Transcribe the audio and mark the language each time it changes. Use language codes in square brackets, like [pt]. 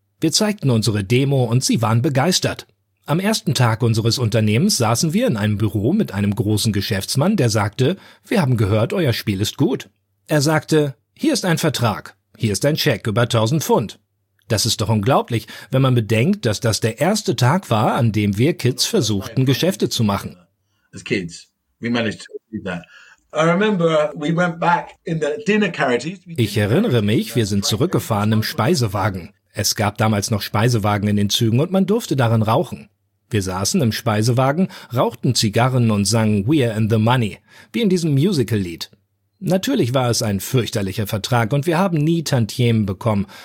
[de] Wir zeigten unsere Demo und sie waren begeistert. Am ersten Tag unseres Unternehmens saßen wir in einem Büro mit einem großen Geschäftsmann, der sagte, wir haben gehört, euer Spiel ist gut. Er sagte, hier ist ein Vertrag, hier ist ein Scheck über 1000 Pfund. Das ist doch unglaublich, wenn man bedenkt, dass das der erste Tag war, an dem wir Kids versuchten, Geschäfte zu machen. [en] As kids, we managed to do that. I remember we went back in the dinner carriages. [de] Ich erinnere mich, wir sind zurückgefahren im Speisewagen. Es gab damals noch Speisewagen in den Zügen und man durfte darin rauchen. Wir saßen im Speisewagen, rauchten Zigarren und sangen We're in the Money, wie in diesem Musical-Lied. Natürlich war es ein fürchterlicher Vertrag und wir haben nie Tantiemen bekommen.